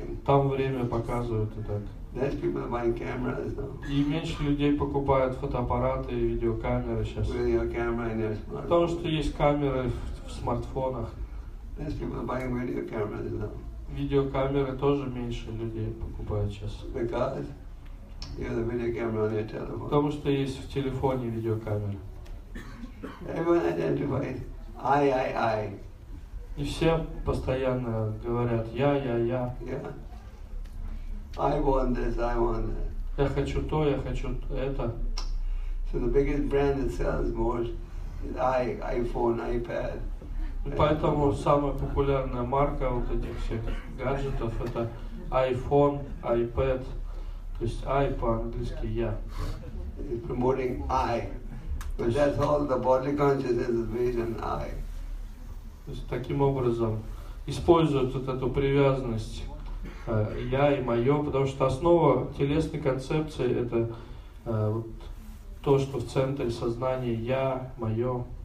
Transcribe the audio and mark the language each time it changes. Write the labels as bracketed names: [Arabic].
[Russian] Там время показывают и так. [English] Less people are buying cameras now. [Russian] И меньше людей покупают фотоаппараты и видеокамеры сейчас. [English] With your camera and your smartphone. [Russian] Потому что есть камеры в смартфонах. [English] Less people are buying video cameras now. [Russian] Видеокамеры тоже меньше людей покупают сейчас. [English] Because you have the video camera on your telephone. [Russian] Потому что есть в телефоне видеокамера. [English] Everyone identifies I. [Russian] И все постоянно говорят я. [English] Yeah. I want this. [Russian] Я хочу то, я хочу это. [English] So the biggest brand that sells most is iPhone, iPad. [Russian] Поэтому самая популярная марка вот этих всех гаджетов это iPhone, iPad, то есть I по-английски я. [English] It's promoting I, but that's all the body consciousness is based on I. [Russian] То есть таким образом используют вот эту привязанность. Я и мое, потому что основа телесной концепции это вот, то, что в центре сознания я, мое.